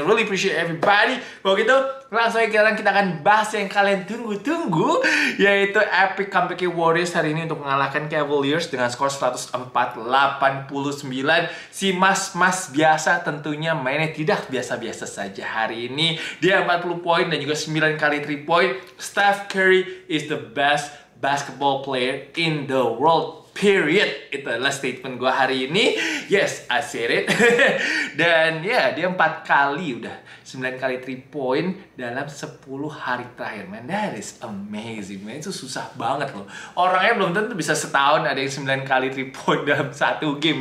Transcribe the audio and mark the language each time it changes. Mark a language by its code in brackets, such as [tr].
[en] Really appreciate everybody. [id] Kalau gitu, langsung aja kita akan bahas yang kalian tunggu-tunggu, yaitu epic comeback Warriors hari ini untuk mengalahkan Cavaliers dengan skor 104-89. Si mas-mas biasa tentunya mainnya tidak biasa-biasa saja hari ini. Dia 40 poin dan juga 9 kali 3 poin. [en] Steph Curry is the best basketball player in the world, period. [id] Itu adalah statement gue hari ini. [en] Yes, I said it. [id] Dan ya, dia 4 kali udah 9 kali 3 point dalam 10 hari terakhir. [en] Man, that is amazing, man. [id] Itu susah banget loh. Orangnya belum tentu bisa setahun ada yang 9 kali 3 point dalam satu game.